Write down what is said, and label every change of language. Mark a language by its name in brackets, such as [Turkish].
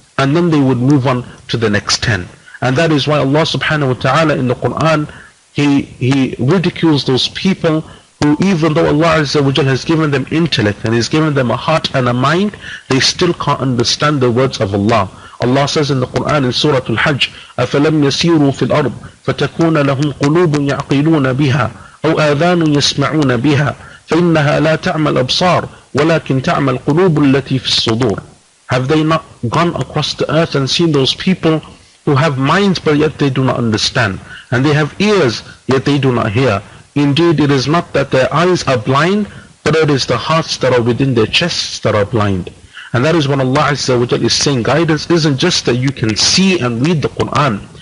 [English] And then they would move on to the next 10. And that is why Allah subhanahu wa ta'ala in the Quran, He ridicules those people who, even though Allah azza wa jal has given them intellect and has given them a heart and a mind, they still can't understand the words of Allah. Allah says in the Quran in Surah Al-Hajj, [Arabic] أَفَلَمْ يَسِيرُوا فِي الْأَرْضِ فَتَكُونَ لَهُمْ قُلُوبٌ يَعْقِلُونَ بِهَا أو آذان يسمعون بها فإنها لا تعمل أبصار ولكن تعمل قلوب التي في الصدور. [English] Have they not gone across the earth and seen those people who have minds but yet they do not understand, and they have ears yet they do not hear? Indeed, it is not that their eyes are blind, but it is the hearts that are within their chests that are blind. And that is when Allah Azza wa Jalla is saying, guidance isn't just that you can see and read the Quran.